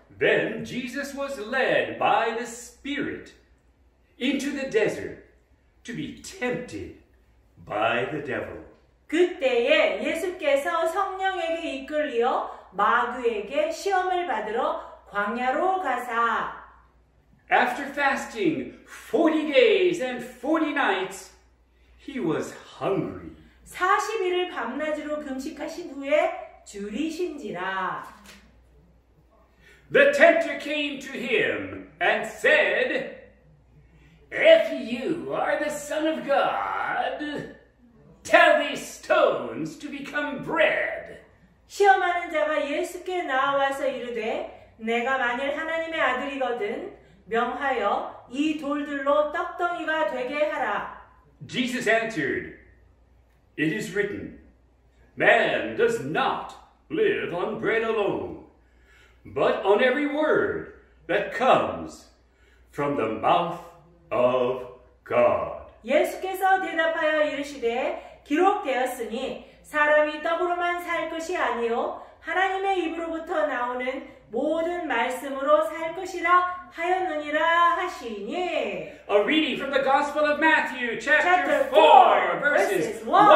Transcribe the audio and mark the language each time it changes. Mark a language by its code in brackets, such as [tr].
[en] Then Jesus was led by the Spirit into the desert to be tempted by the devil. [ko] 그때에 예수께서 성령에게 이끌려 마귀에게 시험을 받으러 광야로 가사. [en] After fasting 40 days and 40 nights, he was hungry. [ko] 40일을 밤낮으로 금식하신 후에 주리신지라. [en] The tempter came to him and said, "If you are the Son of God, tell these stones to become bread." [ko] 시험하는 자가 예수께 나와서 이르되, 내가 만일 하나님의 아들이거든 명하여 이 돌들로 떡덩이가 되게 하라. [en] Jesus answered, "It is written, man does not live on bread alone, but on every word that comes from the mouth of God." [ko] 예수께서 대답하여 이르시되 기록되었으니 사람이 떡으로만 살 것이 아니요 하나님의 입으로부터 나오는 모든 말씀으로 살 것이라 하였느니라 하시니. [en] A reading from the Gospel of Matthew, chapter 4, verses 1, 2, 4.